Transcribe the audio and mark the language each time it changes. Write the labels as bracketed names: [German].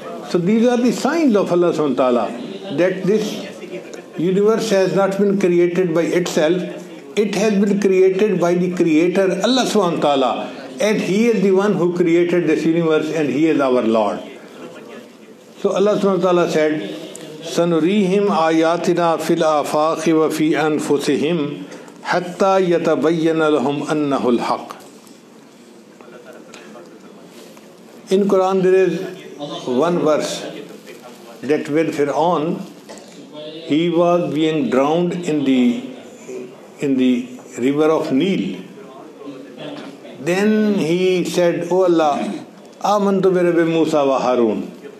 [English] So these are the signs of Allah subhanahu wa ta'ala, that this universe has not been created by itself. It has been created by the Creator, Allah subhanahu wa ta'ala. And He is the one who created this universe, and He is our Lord. So Allah subhanahu wa ta'ala said, [Arabic] سَنُرِيهِمْ آيَاتِنَا فِي الْآفَاقِ وَفِي أَنفُسِهِمْ حَتَّى يَتَبَيَّنَ لَهُمْ أَنَّهُ الْحَقِّ. [English] In Quran there is one verse that when Fir'aun he was being drowned in the river of Nil. Then he said, O Allah, [Arabic] Amantu bi Rabbi Musa wa Harun.